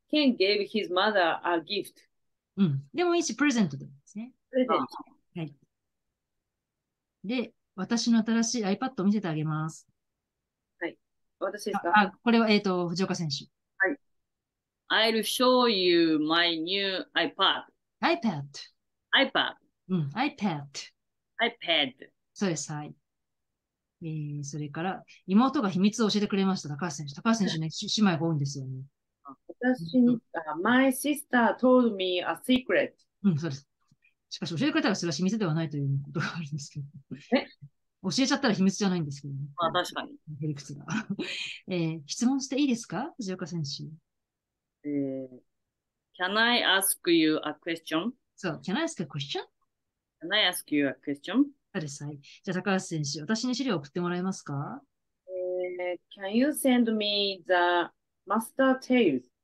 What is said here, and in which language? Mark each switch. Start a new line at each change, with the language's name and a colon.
English: Ken gave his mother a gift.
Japanese: でもいいし、プレゼントでもいいですね。プレゼント。はい。で、私の新しい iPad を見せてあげます。私ですか？はこれは、藤岡選手。
English: I'll show you my new iPad. iPad。 iPad.
Japanese: うん、iPad。
English: iPad.
Japanese: そうです、はい。それから、妹が秘密を教えてくれました、高橋選手。高橋選手ね、姉妹が多いんですよね。私に、
English: my sister told me a secret.
Japanese: そうです。しかし、教えてくれたらそれは秘密ではないということがあるんですけど。教えちゃったら秘密じゃないんですけどね。まあ、確かに。ヘリクツが。質問していいですか、藤岡選手。
English: Can I ask you a question?
Japanese: そう、
English: can I ask a question? Can I ask you a question?
Japanese: あれさい。じゃあ、高橋選手、私に資料送ってもらえますか？
English: Can you send me the master tails?